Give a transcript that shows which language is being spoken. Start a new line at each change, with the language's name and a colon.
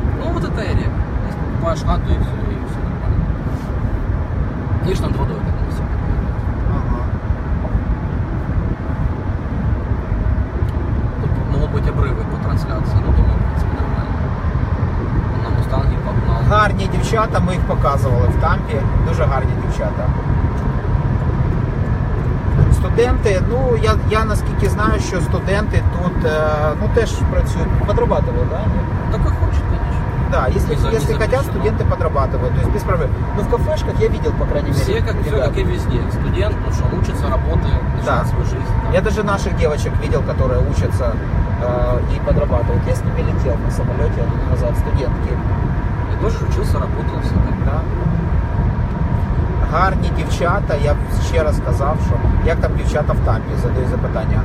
Russian: Ну вот это эрия. Если покупаешь хату и все нормально. Видишь, там трудовое как-то все. Ага. Тут могут быть обрывы по трансляции, но думаю, в принципе, нормально. На Мустанге погнал.
Ukrainian: Гарні дівчата, ми їх показували в Тампі. Дуже гарні дівчата. Студенти, ну я наскільки знаю, що студенти тут ну, теж працюють,
Russian: подрабатывают, да?
Ukrainian: Так і хочуть, конечно.
Russian: Да, если хотят, студенти подрабатывают, то есть без проблем. Ну в кафешках я видел, по крайней мере. Все, как и везде. Студент, ну что, учится, работает, да. Свою жизнь. Да. Я даже наших девочек видел, которые учатся и подрабатывают. Я с ними летел на самолете назад, студентки. Я тоже учился, работал всегда. Да.
Ukrainian: Гарні дівчата, я ще раз сказав, що як там дівчата в Тампі, задаю запитання.